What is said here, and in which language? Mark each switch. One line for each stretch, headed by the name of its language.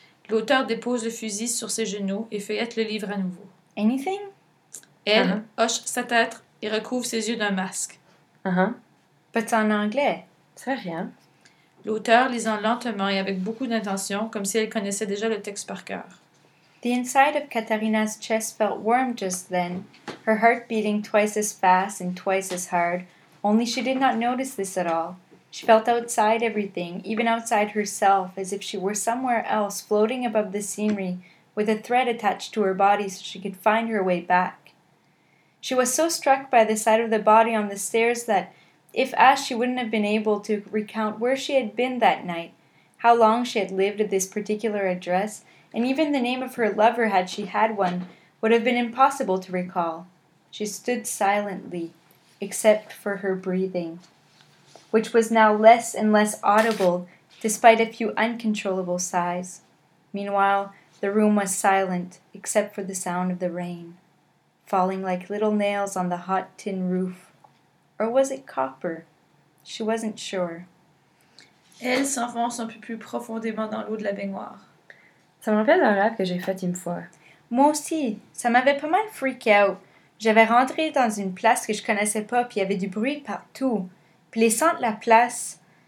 French: L'auteur dépose le fusil sur ses genoux et feuillette le livre à nouveau.
English: Anything?
French: Elle hoche sa tête et recouvre ses yeux d'un masque. Pas en anglais? C'est rien. L'auteur lisant lentement et avec beaucoup d'intention, comme si elle connaissait déjà le texte par cœur.
English: The inside of Katharina's chest felt warm just then, her heart beating twice as fast and twice as hard, only she did not notice this at all. She felt outside everything, even outside herself, as if she were somewhere else floating above the scenery with a thread attached to her body so she could find her way back. She was so struck by the sight of the body on the stairs that, if asked, she wouldn't have been able to recount where she had been that night, how long she had lived at this particular address, and even the name of her lover, had she had one, would have been impossible to recall. She stood silently, except for her breathing, which was now less and less audible, despite a few uncontrollable sighs. Meanwhile, the room was silent, except for the sound of the rain, falling like little nails on the hot tin roof. Or was it copper? She wasn't sure.
French: Elle s'enfonce un peu plus profondément dans l'eau de la baignoire. Ça me rappelle un rêve que j'ai fait une fois. Moi aussi. Ça m'avait pas mal freak out. J'avais rentré dans une place que je connaissais pas, puis il y avait du bruit partout. Puis les sons de la place...